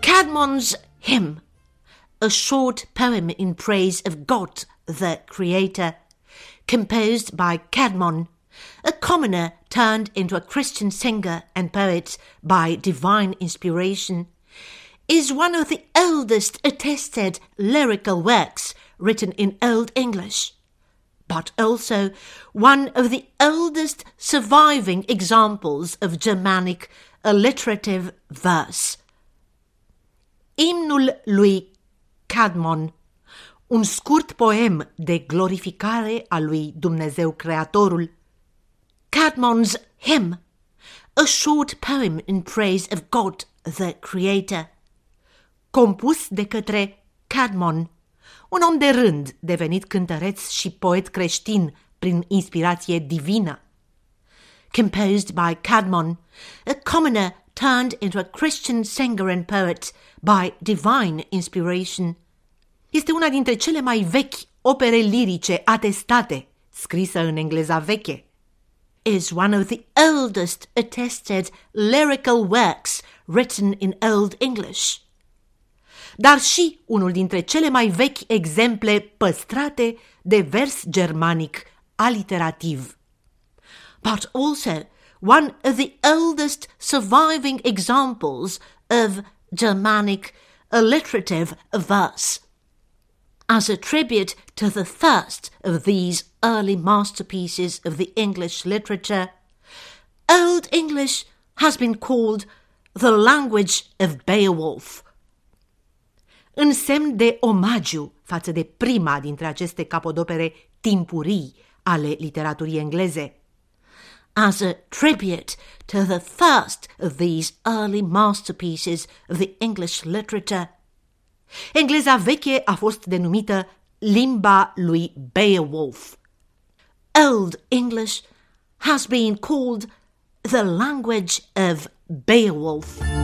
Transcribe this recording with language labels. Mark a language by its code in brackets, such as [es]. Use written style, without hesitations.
[en] Solomon's Hymn, a short poem in praise of God, the Creator, composed by Cædmon, a commoner turned into a Christian singer and poet by divine inspiration, is one of the oldest attested lyrical works written in Old English, but also one of the oldest surviving examples of Germanic alliterative verse. [ro] Imnul lui Cædmon, un scurt poem de glorificare a lui Dumnezeu Creatorul. [en] Cædmon's Hymn, a short poem in praise of God, the Creator, [ro] compus de către Cædmon, un om de rând devenit cântăreț și poet creștin prin inspirație divină. [en] Composed by Cædmon, a commoner turned into a Christian singer and poet by divine inspiration, [ro] este una dintre cele mai vechi opere lirice atestate, scrisă în engleza veche. [en] Is one of the oldest attested lyrical works written in Old English. [ro] Dar și unul dintre cele mai vechi exemple păstrate de vers germanic aliterativ. [en] But also one of the oldest surviving examples of Germanic alliterative verse. As a tribute to the first of these early masterpieces of the English literature, Old English has been called the language of Beowulf. [ro] În semn de omagiu față de prima dintre aceste capodopere timpurii ale literaturii engleze, [en] as a tribute to the first of these early masterpieces of the English literature, [ro] engleza veche a fost denumită limba lui Beowulf. [en] Old English has been called the language of Beowulf.